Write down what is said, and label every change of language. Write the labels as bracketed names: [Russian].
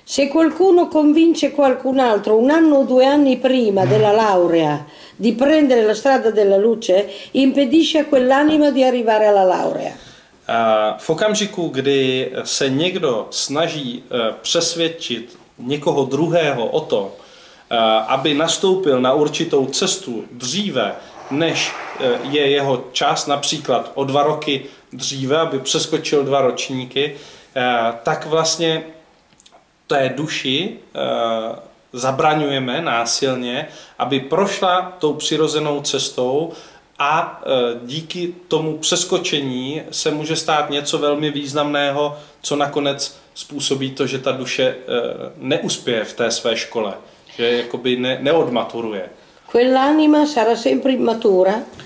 [Italian] Se qualcuno convince qualcun altro un anno o due anni prima della laurea di prendere la strada della luce, impedisce a quell'anima di arrivare alla laurea. [Czech] V okamžiku, kdy se někdo snaží přesvědčit někoho druhého o to, aby nastoupil na určitou cestu dříve, než je jeho čas, například o dva roky dříve, aby přeskočil dva ročníky, tak vlastně té duši zabraňujeme násilně, aby prošla tou přirozenou cestou, a díky tomu přeskočení se může stát něco velmi významného, co nakonec způsobí to, že ta duše neuspěje v té své škole, že jakoby neodmaturuje. [Italian] Quell'anima sarà sempre immatura.